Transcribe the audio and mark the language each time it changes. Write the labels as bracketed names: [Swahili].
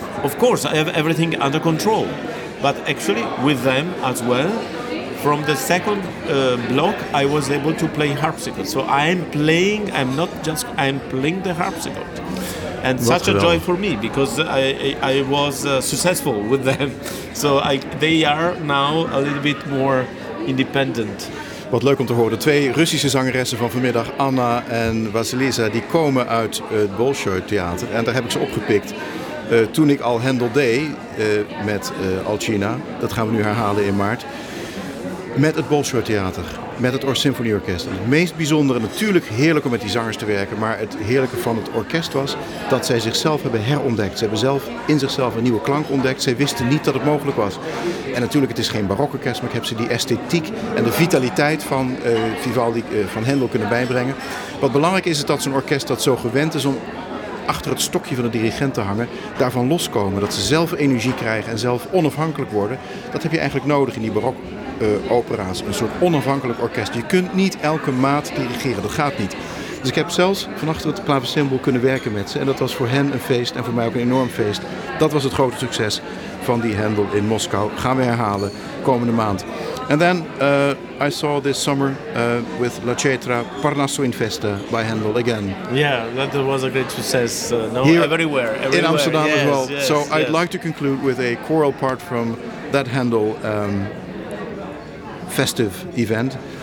[English] Of course, I have everything under control, but actually with them as well, from the second block, I was able to play harpsichord. So I'm playing the harpsichord. And such a joy for me, because I was successful with them. So they are now a little bit more independent. [Dutch] Wat leuk om te horen. Twee Russische zangeressen van vanmiddag, Anna en Vasilisa, die komen uit het Bolshoi Theater. En daar heb ik ze opgepikt toen ik al Handel deed met Alcina. Dat gaan we nu herhalen in maart. Met het Bolshoi-theater, met het Symfonieorkest. Het meest bijzondere, natuurlijk heerlijk om met die zangers te werken, maar het heerlijke van het orkest was dat zij zichzelf hebben herontdekt. Ze hebben zelf in zichzelf een nieuwe klank ontdekt. Zij wisten niet dat het mogelijk was. En natuurlijk, het is geen barokorkest, maar ik heb ze die esthetiek en de vitaliteit van Vivaldi, van Händel kunnen bijbrengen. Wat belangrijk is, is dat zo'n orkest dat zo gewend is om achter het stokje van de dirigent te hangen, daarvan loskomen, dat ze zelf energie krijgen en zelf onafhankelijk worden. Dat heb je eigenlijk nodig in die barok. Opera's, een soort onafhankelijk orkest. Je kunt niet elke maat dirigeren, dat gaat niet. Dus ik heb zelfs vannacht het klaversymbool kunnen werken met ze. En dat was voor hen een feest en voor mij ook een enorm feest. Dat was het grote succes van die Händel in Moskou. Gaan we herhalen komende maand. [English] And then I saw this summer with La Cetra, Parnasso in Festa by Händel again. Yeah, that was a great success. Everywhere. In Amsterdam, yes, as well. Yes, so yes. I'd like to conclude with a choral part from that Händel festive event.